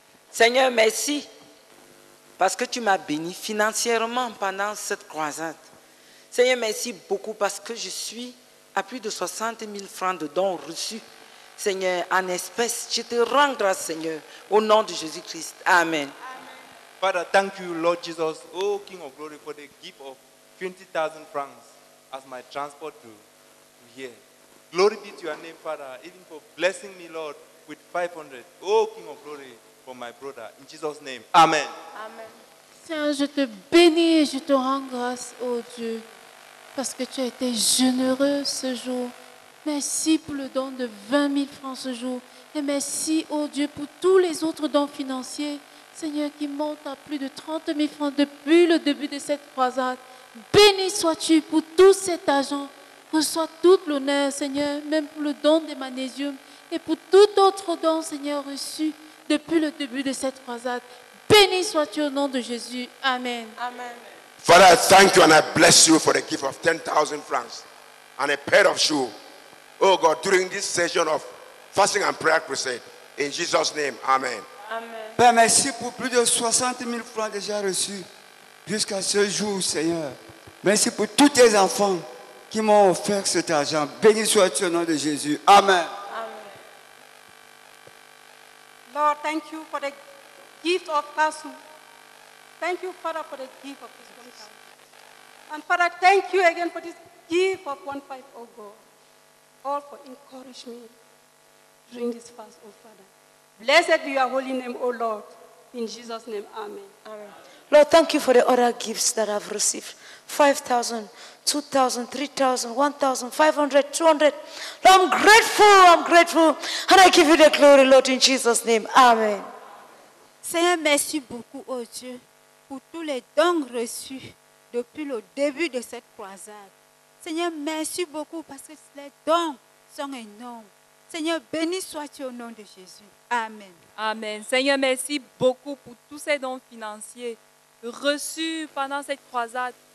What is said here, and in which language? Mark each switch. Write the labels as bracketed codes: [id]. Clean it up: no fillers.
[fr] Seigneur, merci parce que tu m'as béni financièrement pendant cette croisade. Seigneur, merci beaucoup parce que je suis à plus de 60 000 francs de dons reçus. Seigneur, en espèces, je te rends grâce, Seigneur, au nom de Jésus-Christ. Amen. Amen. [en] Father, thank you, Lord Jesus, O King of Glory, for the gift of 20,000 francs as my transport to here. Glory be to your name, Father, even for blessing me, Lord, with 500. O King of Glory, for my brother, in Jesus' name. Amen. Amen. [fr] Seigneur, je te bénis et je te rends grâce, ô Dieu, parce que tu as été généreux ce jour. Merci pour le don de 20 000 francs ce jour. Et merci, ô Dieu, pour tous les autres dons financiers, Seigneur, qui montent à plus de 30 000 francs depuis le début de cette croisade. Béni sois-tu pour tout cet argent. Reçois tout l'honneur, Seigneur, même pour le don des magnésium et pour tout autre don, Seigneur, reçu depuis le début de cette croisade. Béni sois-tu au nom de Jésus. Amen. Amen. [en] Father, I thank you and I bless you for the gift of 10,000 francs and a pair of shoes. Oh God, during this session of fasting and prayer crusade, in Jesus' name, amen. Amen. [fr] Père, merci pour plus de 60 000 francs déjà reçus jusqu'à ce jour, Seigneur. Merci pour tous tes enfants qui m'ont offert cet argent. Béni sois-tu au nom de Jésus. Amen. Amen. [en] Lord, thank you for the gift of Kasum. Thank you, Father, for the gift of this hometown. And Father, thank you again for this gift of 1,500, oh God. All for encouraging me during this fast, oh Father. Blessed be your holy name, oh Lord. In Jesus' name, amen. Amen. Lord, thank you for the other gifts that I've received. 5,000, 2,000, 3,000, 1,000, 500, 200. Lord, I'm grateful, And I give you the glory, Lord, in Jesus' name. Amen. [fr] Seigneur, merci beaucoup, oh Dieu, pour tous les dons reçus depuis le début de cette croisade. Seigneur, merci beaucoup parce que les dons sont énormes. Seigneur, béni sois-tu au nom de Jésus. Amen. Amen. Seigneur, merci beaucoup pour tous ces dons financiers reçus pendant cette croisade.